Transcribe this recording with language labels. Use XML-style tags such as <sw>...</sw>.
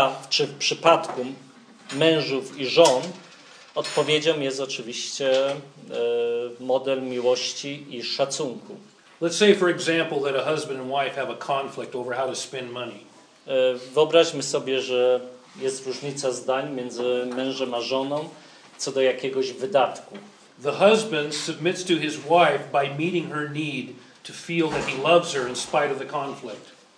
<pl>Czy w przypadku mężów i żon odpowiedzią jest oczywiście model miłości i szacunku.</pl> <en>Let's say for example that a husband and wife have a conflict over how to spend money.</en> <pl>Wyobraźmy sobie, że jest różnica zdań między mężem a żoną co do jakiegoś wydatku.</pl> <en>The husband submits to his wife by meeting her need to feel that he loves her in spite of the conflict.</en>